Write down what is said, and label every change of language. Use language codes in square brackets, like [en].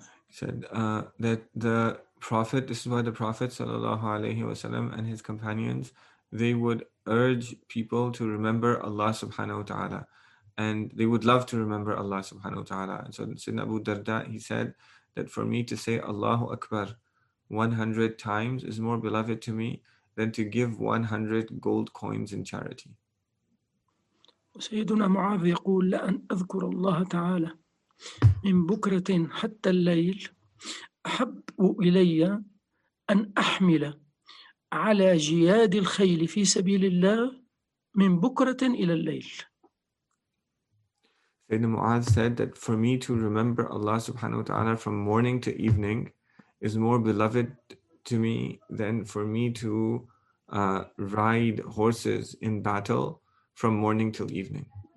[en] Said that the Prophet, this is why the Prophet sallallahu alaihi wasallam and his companions, they would urge people to remember Allah subhanahu wa ta'ala, and they would love to remember Allah subhanahu wa ta'ala. And so Sayyidina Abu Darda, he said that for me to say Allahu Akbar 100 times is more beloved to me than to give 100 gold coins in charity. [ar] Sayyiduna Mu'adh yaqul la an adhkura Allah ta'ala من بكرة حتى الليل أحب إلي أن أحمل على جياد الخيل في سبيل الله من بكرة إلى الليل. [en] Sayyidina Mu'adh said that for me to remember Allah subhanahu wa ta'ala from morning to evening is more beloved to me than for me to ride horses in battle from morning till evening.